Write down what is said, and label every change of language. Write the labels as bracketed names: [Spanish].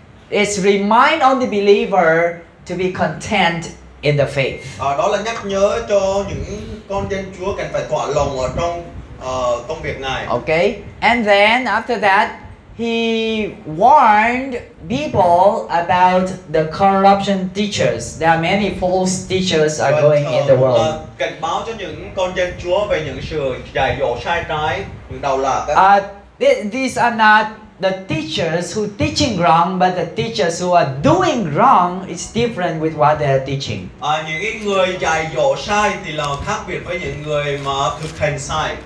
[English] It's remind on the believer to be content in the faith. [Vietnamese] Đó là nhắc nhở cho những con dân Chúa cần phải thỏa lòng ở trong công việc này. [English] Okay. And then after that, he warned people about the corruption teachers. There are many false teachers are going in the world. [Vietnamese] Cảnh báo cho những con dân Chúa về những sự dạy dỗ sai trái, những đầu lạc. [English] These are not the teachers who teaching wrong, but the teachers who are doing wrong is different with what they are teaching. [Vietnamese] Những người dạy dỗ sai thì là khác biệt với những người mà thực hành sai.